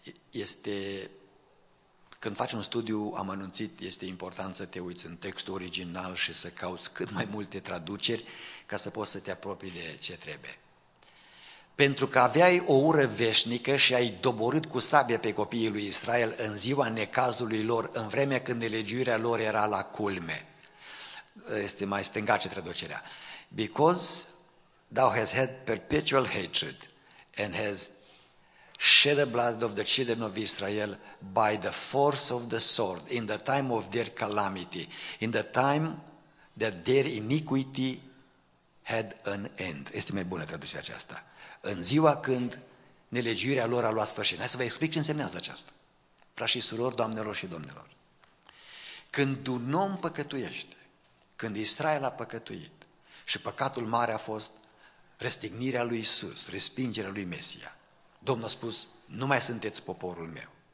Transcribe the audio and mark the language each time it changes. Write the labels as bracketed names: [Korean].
[Romanian] Este... Când faci un studiu amănunțit, este important să te uiți în textul original și să cauți cât mai multe traduceri ca să poți să te apropii de ce trebuie. Pentru că aveai o ură veșnică și ai doborât cu sabie pe copiii lui Israel în ziua necazului lor, în vremea când nelegiuirea lor era la culme. Este mai stângace traducerea. [English] Because thou has had perpetual hatred and has shed the blood of the children of Israel by the force of the sword in the time of their calamity, in the time that their iniquity had an end. [Romanian] Este mai bună traducerea aceasta. În ziua când nelegiuirea lor a luat sfârșit. Hai să vă explic ce însemnează aceasta. Frați și surori, doamnelor și domnilor, când un om păcătuiește, când Israel a păcătuit și păcatul mare a fost răstignirea lui Iisus, respingerea lui Mesia, Domnul a spus, nu mai sunteți poporul meu.